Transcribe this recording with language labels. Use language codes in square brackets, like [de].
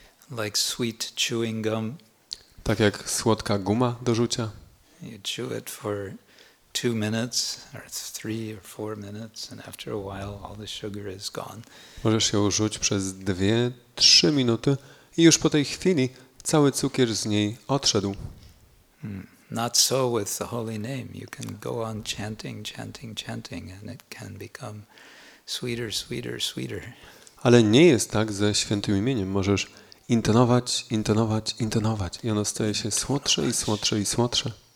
[en] Like sweet chewing gum. [pl] Tak jak słodka guma do żucia. [en] You chew it for 2 minutes, or 3 or 4 minutes, and after a while all the sugar is gone. [pl] Możesz ją żuć przez 2-3 minuty i już po tej chwili cały cukier z niej odszedł. [en] Not so with the holy name. You can go on chanting, and it can become sweeter. [pl] Ale nie jest tak ze świętym imieniem. Możesz intonować i ono staje się słodsze.